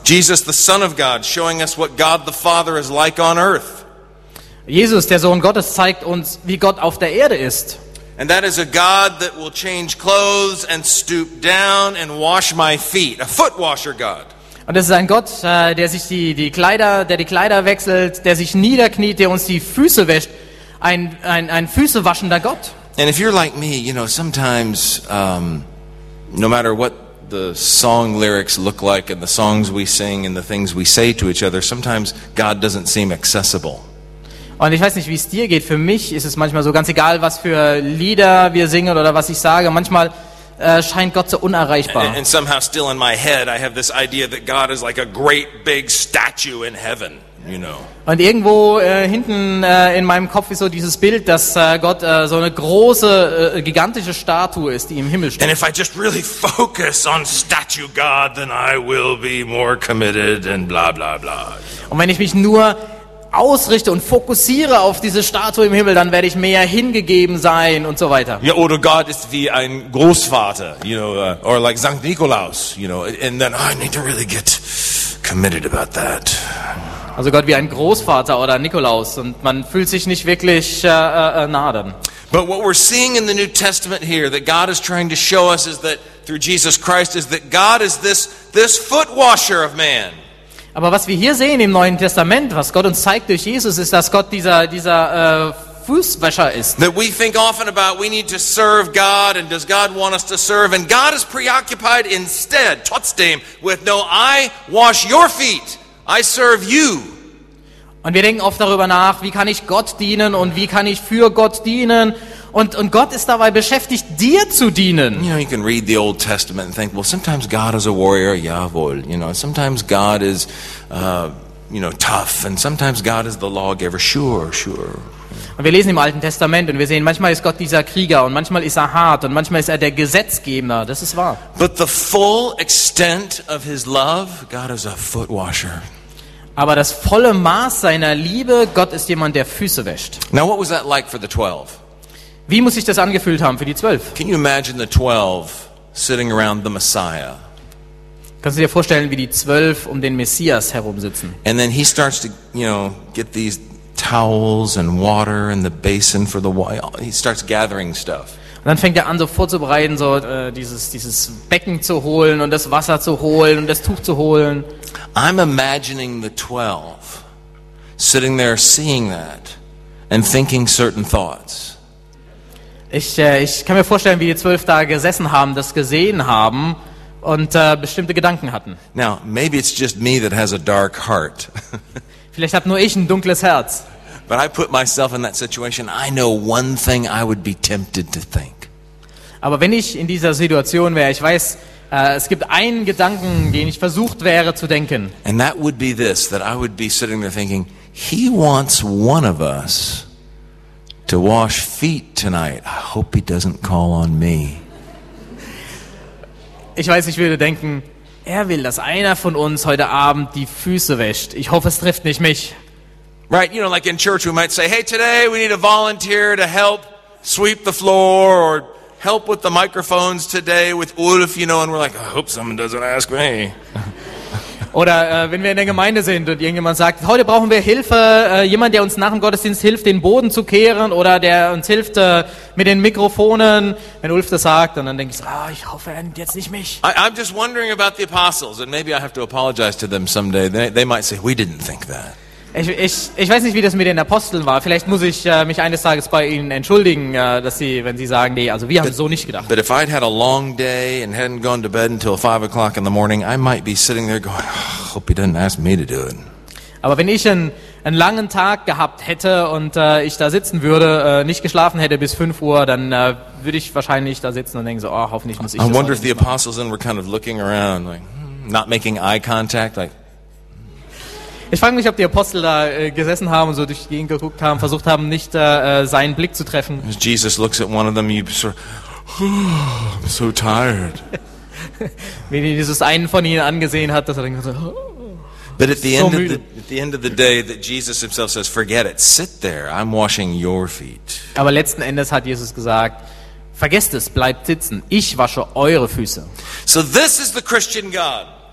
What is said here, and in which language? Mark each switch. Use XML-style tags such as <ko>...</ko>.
<en>Jesus, the Son of God, showing us what God the Father is like on earth.</en> <de>Jesus, der Sohn Gottes, zeigt uns, wie Gott auf der Erde ist.</de> <en>And that is a God that will change clothes and stoop down and wash my feet. A foot washer God.</en> <de>Und es ist ein Gott, der sich die Kleider wechselt, der sich niederkniet, der uns die Füße wäscht. Ein Füße waschender Gott.</de> <en>And if you're like me, you know, sometimes no matter what the song lyrics look like and the songs we sing and the things we say to each other, sometimes God doesn't seem accessible.</en> <de>Und ich weiß nicht, wie es dir geht. Für mich ist es manchmal so, ganz egal, was für Lieder wir singen oder was ich sage, manchmal scheint Gott so unerreichbar.</de> <en>And somehow still in my head I have this idea that God is like a great big statue in heaven, you know.</en> <de>Und irgendwo hinten in meinem Kopf ist so dieses Bild, dass Gott so eine große gigantische Statue ist, die im Himmel steht.</de> <en>And if I just really focus on statue God, then I will be more committed and blah blah blah.</en> <de>Und wenn ich mich nur ausrichte und fokussiere auf diese Statue im Himmel, dann werde ich mehr hingegeben sein und so weiter. Ja, oder Gott ist wie ein Großvater,</de> <en>you know, or like St. Nikolaus, you know, and then I need to really get committed about that.</en> <de>Also Gott wie ein Großvater oder Nikolaus und man fühlt sich nicht wirklich nah dran.</de> <en>But what we're seeing in the New Testament here that God is trying to show us is that through Jesus Christ is that God is this foot washer of man.</en> <de>Aber was wir hier sehen im Neuen Testament, was Gott uns zeigt durch Jesus, ist, dass Gott dieser Fußwäscher ist.</de> <en>That we think often about we need to serve God and does God want us to serve and God is preoccupied instead</en> <de>trotzdem</de> <en>with no I wash your feet. I serve you.</en> <de>Und wir denken oft darüber nach, wie kann ich Gott dienen und wie kann ich für Gott dienen? Und Gott ist dabei beschäftigt, dir zu dienen.</de> <en>You know, you can read the Old Testament and think, well, sometimes God is a warrior,</en> <de>jawohl.</de> <en>You know, sometimes God is, you know, tough and sometimes God is the lawgiver, sure.</en> <de>Und wir lesen im Alten Testament und wir sehen, manchmal ist Gott dieser Krieger und manchmal ist er hart und manchmal ist er der Gesetzgeber, das ist wahr.</de> <en>But the full extent of his love, God is a foot washer.</en> <de>Aber das volle Maß seiner Liebe, Gott ist jemand, der Füße wäscht.</de> <en>Now what was that like for the 12?</en> <de>Wie muss sich das angefühlt haben für die 12?</de> <en>Can you imagine the 12 sitting around the Messiah?</en> <de>Kannst du dir vorstellen, wie die 12 um den Messias herum sitzen?</de> <en>And then he starts to, you know, get these towels and water and the basin for the water. He starts gathering stuff.</en> <de>Und dann fängt er an, so vorzubereiten, so dieses Becken zu holen und das Wasser zu holen und das Tuch zu holen.</de> <en>I'm imagining the 12 sitting there seeing that and thinking certain thoughts.</en> <de>Ich kann mir vorstellen, wie die 12 da gesessen haben, das gesehen haben und bestimmte Gedanken hatten.</de> <en>Now, maybe it's just me that has a dark heart.</en> <de>Vielleicht habe nur ich ein dunkles Herz.</de> <en>But I put myself in that situation, I know one thing I would be tempted to think.</en> <de>Aber wenn ich in dieser Situation wäre, ich weiß, es gibt einen Gedanken, den ich versucht wäre zu denken.</de> <en>And that would be this, that I would be sitting there thinking, he wants one of us to wash feet tonight. I hope he doesn't call on me.</en> <de>Ich weiß, ich würde denken, er will, dass einer von uns heute Abend die Füße wäscht. Ich hoffe, es trifft nicht mich.</de> <en>Right, you know, like in church we might say, hey, today we need a volunteer to help sweep the floor or help with the microphones today with Ulf, you know, and we're like, I hope someone doesn't ask me.</en> <de>Oder wenn wir in der Gemeinde sind und irgendjemand sagt, heute brauchen wir Hilfe, jemand, der uns nach dem Gottesdienst hilft, den Boden zu kehren oder der uns hilft mit den Mikrofonen, wenn Ulf das sagt, und dann denke ich, ich hoffe, er nimmt jetzt nicht mich.</de> <en>I'm just wondering about the apostles and maybe I have to apologize to them someday. They might say, we didn't think that.</en> <de>Ich weiß nicht, wie das mit den Aposteln war. Vielleicht muss ich mich eines Tages bei ihnen entschuldigen, dass sie, wenn sie sagen, nee, also wir haben so nicht gedacht.</de> <en>But if I'd had a long day and hadn't gone to bed until 5 o'clock in the morning, I might be sitting there going, oh, hope he doesn't ask me to do it.</en> <de>Aber wenn ich einen langen Tag gehabt hätte und ich da sitzen würde, nicht geschlafen hätte bis 5 Uhr, dann würde ich wahrscheinlich da sitzen und denken so, hoffentlich muss ich.</de> <en>I wonder if the apostles then were kind of looking around, like not making eye contact, like.</en> <de>Ich frage mich, ob die Apostel da gesessen haben und so durch die Gegend geguckt haben, versucht haben, nicht seinen Blick zu treffen.</de> <en>As Jesus looks at one of them, you're sort of, I'm so tired.</en> <de>Wenn Jesus einen von ihnen angesehen hat, dass er dann so, oh,</de> <en>but at the end so of the, at the end of the day, that Jesus himself says, forget it, sit there, I'm washing your feet.</en> <de>Aber letzten Endes hat Jesus gesagt, vergesst es, bleibt sitzen, ich wasche eure Füße.</de> <en>So this is the Christian God.</en>